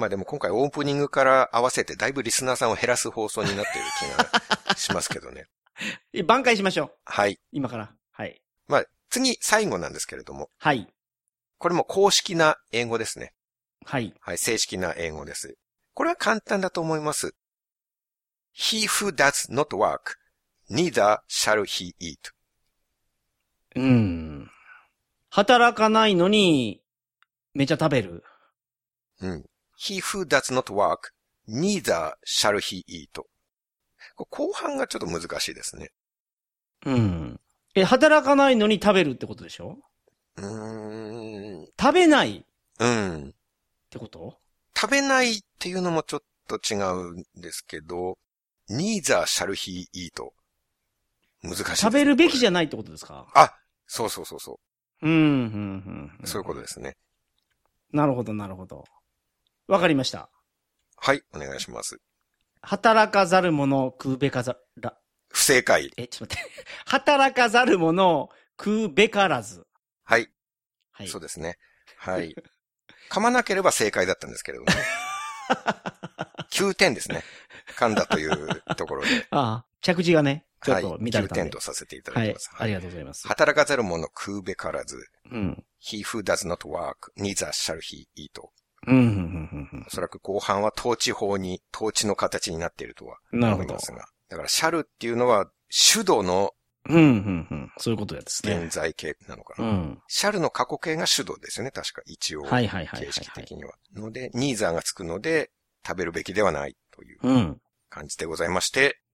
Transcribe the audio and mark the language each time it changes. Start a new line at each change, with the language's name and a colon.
Japanese: まあでも今回オープニングから合わせて、だいぶリスナーさんを減らす放送になっている気がしますけどね。挽回しましょう。はい。今から。はい。まあ、次、最後なんですけれども。はい。これも公式な英語ですね。はい。はい、正式な英語です。これは簡単だと思います。
English: He who does not work, neither shall he eat.
Japanese: うん。働かないのに、めちゃ食べる。うん。
English: He who does not work, neither shall he eat.
Japanese: 後半がちょっと難しいですね。うん。え、働かないのに食べるってことでしょ？食べない。うん。ってこと？食べないっていうのもちょっと違うんですけど、
English: neither shall he eat.
Japanese: 難しい。食べるべきじゃないってことですか？あ、そうそうそうそう。そういうことですね。なるほど、なるほど。わかりました。はい、お願いします。働かざる者、食うべかざら。不正解。え、ちょっと待って。働かざる者、食うべからず。はい。はい。そうですね。はい。噛まなければ正解だったんですけれどね。9点ですね。噛んだというところで。ああ、着地がね、ちょっと乱れたんで。 9点とさせていただきます。はい、ありがとうございます。働かざる者、食うべからず。うん。
English: He who does not work, neither shall he eat.
Japanese: うん。おそらく後半は統治法に、統治の形になっているとは思いますが。だから、shall っていうのは、主導の、そういうことですね。現在形なのかな。shall の過去形が主導ですよね、確か。一応。はいはいはい。形式的には。ので、neither がつくので、食べるべきではないという感じでございまして。